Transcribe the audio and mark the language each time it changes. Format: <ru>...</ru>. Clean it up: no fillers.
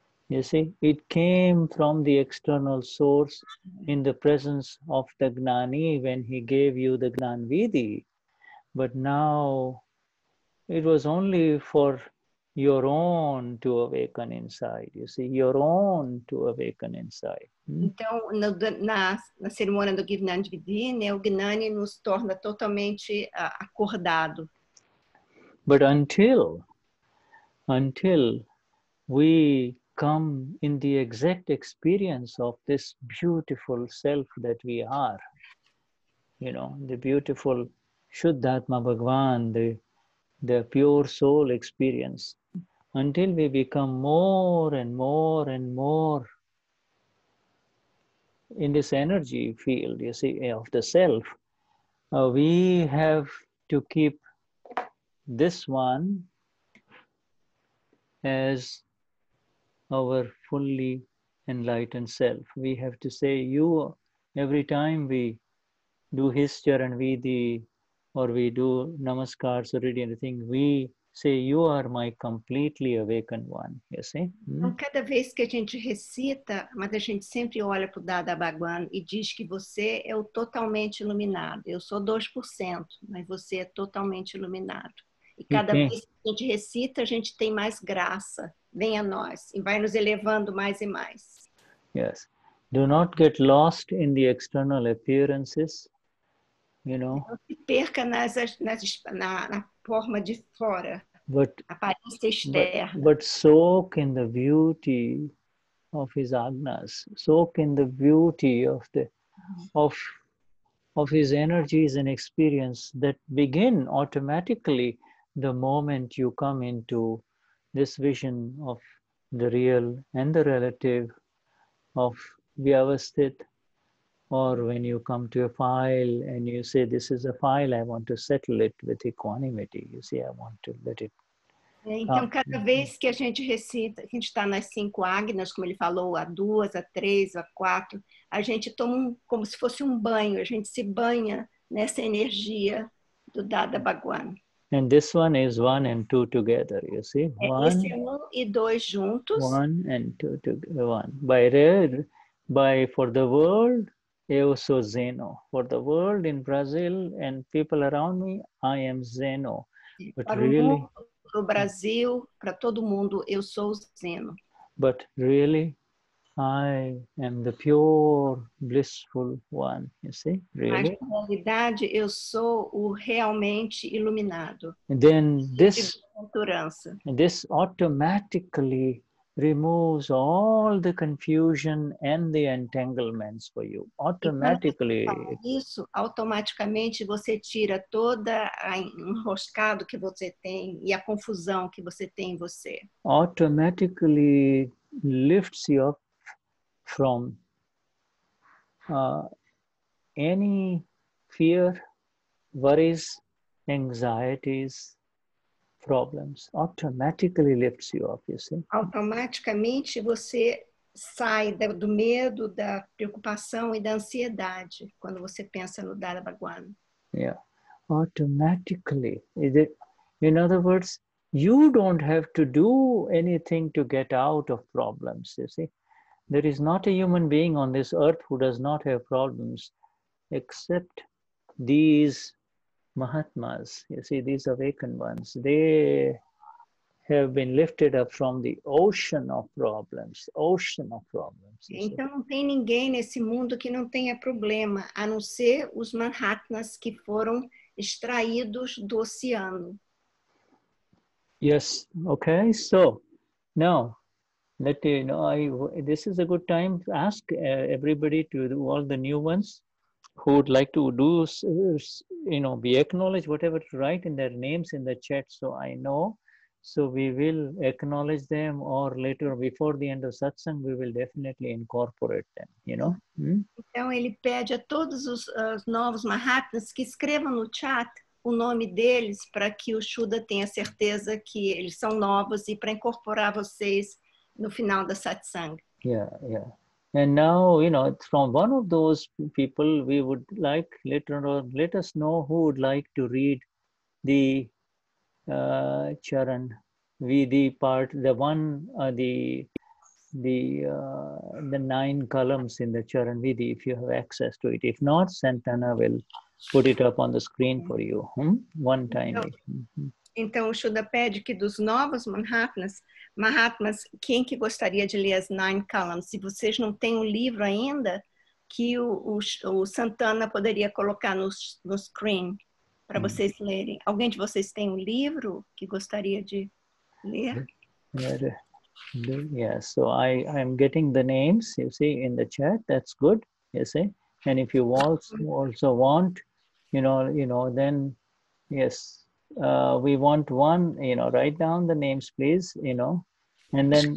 <en>You see, it came from the external source in the presence of the Gnani when he gave you the Gnan Vidhi. But now it was only for your own to awaken inside, you see, your own to awaken inside.</en> <pt>Então, na cerimônia do Gnan Vidhi, né, o Gnani nos torna totalmente acordado.</pt> <en>But until we come in the exact experience of this beautiful self that we are, you know, the beautiful Shuddhatma Bhagwan, the pure soul experience, until we become more and more and more in this energy field, you see, of the self, we have to keep this one as our fully enlightened self. We have to say you every time we do His Charan Vidhi or we do namaskars or read anything, we say, you are my completely awakened one, you see?</en> <pt>Então, cada vez que a gente recita, mas a gente sempre olha para o Dada Bhagwan e diz que você é o totalmente iluminado. Eu sou 2%, mas você é totalmente iluminado. E cada vez que a gente recita, a gente tem mais graça. Vem a nós e vai nos elevando mais e mais.</pt> <en>Yes. Do not get lost in the external appearances, you know?</en> <pt>Não se perca na forma de fora, but, aparência externa.</pt> <en>But soak in the beauty of his agnas, soak in the beauty of the of his energies and experience that begin automatically the moment you come into this vision of the real and the relative of Vyavasthit, or when you come to a file and you say, this is a file, I want to settle it with equanimity. You see, I want to let it...</en> <pt>Então, cada vez que a gente recita, a gente está nas cinco agnas, como ele falou, a duas, a três, a quatro, a gente toma como se fosse um banho, a gente se banha nessa energia do Dada Bhagwan.</pt> <en>And this one is one and two together, you see?</en> <pt>One, esse é um e dois juntos.</pt> <en>One and two together, one. By for the world,</en> <pt>eu sou Zeno.</pt> <en>For the world in Brazil and people around me, I am Zeno. But</en> <pt>para</pt> <en>really,</en> <pt>para o Brasil, para todo mundo, eu sou Zeno.</pt> <en>But really, I am the pure, blissful one. You see? Really?</en> <pt>Mas, na realidade, eu sou o realmente iluminado.</pt> <en>And then this automatically removes all the confusion and the entanglements for you. Automatically.</en> <pt>Isso, automaticamente você tira toda a enroscado que você tem e a confusão que você tem em você.</pt> <en>Automatically lifts you up from any fear, worries, anxieties, problems. Automatically lifts you up, you see?</en> <pt>Automaticamente você sai do medo, da preocupação e da ansiedade quando você pensa no Dada Bhagwan.</pt> <en>Yeah. Automatically. In other words, you don't have to do anything to get out of problems, you see? There is not a human being on this earth who does not have problems except these Mahatmas, you see, these awakened ones. They have been lifted up from the ocean of problems, ocean of problems.</en> <pt>Então, não tem ninguém nesse mundo que não tenha problema, a não ser os Mahatmas que foram extraídos do oceano.</pt> <en>Yes, okay, so, now, this is a good time to ask everybody, to all the new ones who would like to do, you know, be acknowledged, whatever, to write in their names in the chat so I know. So we will acknowledge them, or later before the end of satsang, we will definitely incorporate them, you know.</en> <pt>Então ele pede a todos os novos Mahatmas que escrevam no chat o nome deles para que o Shuddha tenha certeza que eles são novos e para incorporar vocês no final da satsang.</pt> <en>Yeah, yeah. And now, you know, from one of those people, we would like, later on, let us know who would like to read the Charan Vidhi part, the one, the nine columns in the Charan Vidhi, if you have access to it. If not, Santana will put it up on the screen for you, one time.</en> <pt>Então, o Shuddha pede que dos novos Mahatmas, quem que gostaria de ler as Nine Columns? Se vocês não têm um livro ainda, que o Santana poderia colocar no screen para vocês lerem. Alguém de vocês tem um livro que gostaria de ler?</pt> <en>Yeah, so I'm getting the names, you see, in the chat. That's good, you see. And if you also want, you know, then, yes. We want one, you know, write down the names, please, you know, and then...</en>